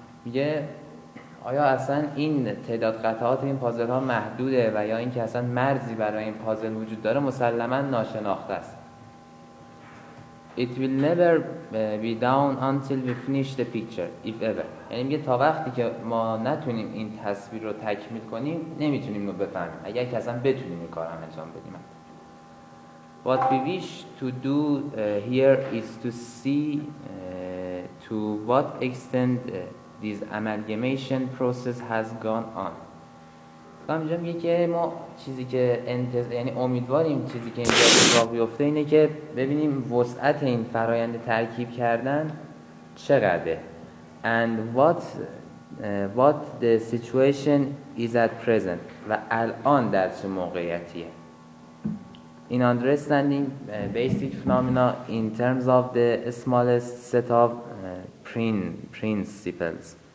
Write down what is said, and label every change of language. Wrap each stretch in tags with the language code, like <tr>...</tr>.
<fa>میگه آیا اصلا این تعداد قطعات این پازل ها محدوده و یا اینکه اصلا مرزی برای این پازل وجود داره مسلما ناشناخته است.</fa> <en>It will never be down until we finish the picture if ever.</en> <fa>یعنی میگه تا وقتی که ما نتونیم این تصویر رو تکمیل کنیم نمیتونیم رو بفهمیم. اگر که اصلا بتونیم این کار انجام بدیم.</fa> <en>What we wish to do here is to see to what extent this amalgamation process has gone on.</en> <fa>خب میگه که ما چیزی که یعنی امیدواریم چیزی که اینجا اتفاق بیفته اینه که ببینیم وسعت این فرایند ترکیب کردن چقدره and what the situation is at present و الان در چه موقعیتیه in understanding basic phenomena in terms of the smallest set of principles</fa>